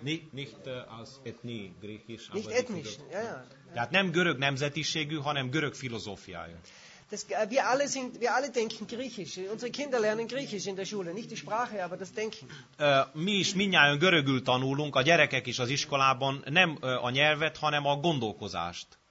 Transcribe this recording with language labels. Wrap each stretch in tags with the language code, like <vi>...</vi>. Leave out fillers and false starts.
<de>Nicht als ethnie griechisch, nicht aber ethnisch, ja, ja.</de> <hu>Tehát nem görög nemzetiségű, hanem görög filozófiája.</hu> <de>Das, wir alle denken griechisch. Unsere Kinder lernen griechisch in der Schule, nicht die Sprache, aber das Denken.</de> <hu>Mi is mindnyájan görögül tanulunk, a gyerekek is az iskolában, nem a nyelvet, hanem a gondolkozást.</hu>